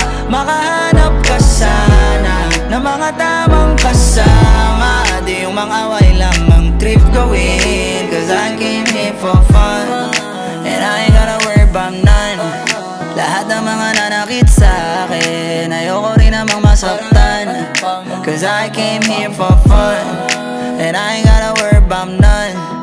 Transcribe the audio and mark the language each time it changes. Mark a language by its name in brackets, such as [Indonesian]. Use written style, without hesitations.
[Filipino] Makahanap ka sana ng mga tamang kasama. Di yung mga away lamang trip gawin. [English] Cause I came here for fun, and I ain't gotta worry about none. [Filipino] Lahat ng mga nanakit sa akin, ayoko rin namang masaktan. [English] Cause I came here for fun, and I ain't gotta worry about none.